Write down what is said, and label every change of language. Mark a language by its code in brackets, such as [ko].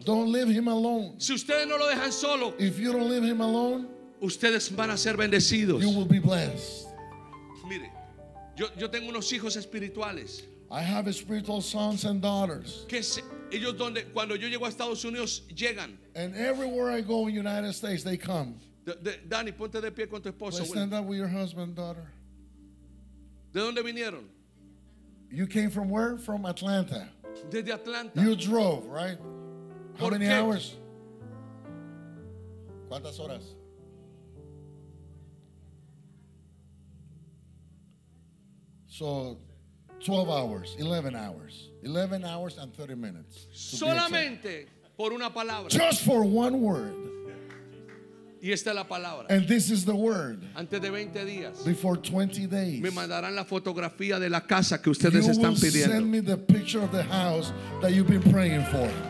[en] Don't leave him alone. [es] Si ustedes no lo dejan solo, [en] if you don't leave him alone, [es] ustedes van a ser bendecidos. [en] You will be blessed. [es] Mire, yo tengo unos hijos espirituales. [en] I have spiritual sons and daughters. [es] Que se, ellos donde, cuando yo llego a Estados Unidos, llegan. [en] And everywhere I go in the United States, they come. [es] Danny, ponte de pie con tu esposo. [en] Please stand up with your husband and daughter. [es] ¿De dónde vinieron? [en] You came from where? From Atlanta. [es] Desde Atlanta. [en] You drove, right? How many hours? [es] ¿Cuántas horas? [en] So, 12 hours, 11 hours. 11 hours and 30 minutes. [es] Solamente por una palabra. [en] Just for one word. [es] Y esta es la palabra. [en] And this is the word. [es] Antes de 20 días. [en] Before 20 days. [es] Me mandarán la fotografía de la casa que ustedes están pidiendo. [en] You will send me the picture of the house that you've been praying for.